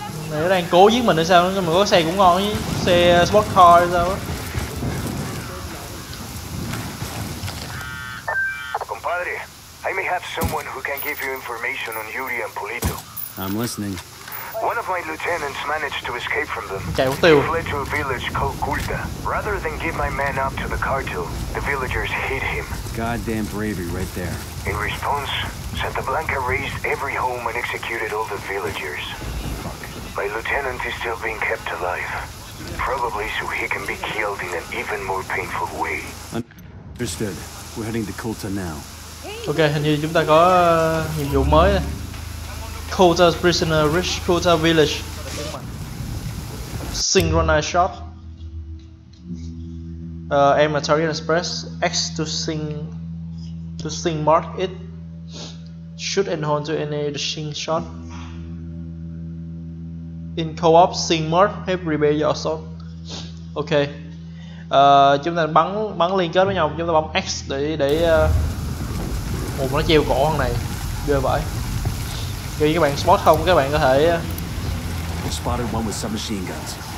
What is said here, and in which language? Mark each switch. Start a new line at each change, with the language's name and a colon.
Vietnamese: Này nó đang cố giết mình hay sao, nhưng mà có xe cũng ngon chứ, xe sport car hay sao á.
English: Compadre, I may have someone who can give you information on Yuri and Polito. I'm listening. One of my lieutenants managed to escape from them.
Vietnamese: Chạy mất tiêu.
English: He fled to a village called Culta. Rather than give my man up to the cartel, the villagers hit him. Goddamn bravery right there. In response, Santa Blanca razed every home and executed all the villagers. My lieutenant is still being kept alive. Probably so he can be killed in an even more painful way. Understood. We're heading to Culta now.
Vietnamese: Okay, hình như chúng ta có nhiệm vụ mới.
English: Culta's prisoner reached Culta village. Synchronized shot. Aim at target and press X to sync mark it. Shoot and hold to enable the sync shot. In co-op, sync mark, hit repair your assault. Ok.
Vietnamese: Chúng ta bắn liên kết với nhau, chúng ta bấm X để một nó treo cổ thằng này. Ghê vậy. Khi các bạn spot không, các bạn có thể
English: spotted one with submachine guns.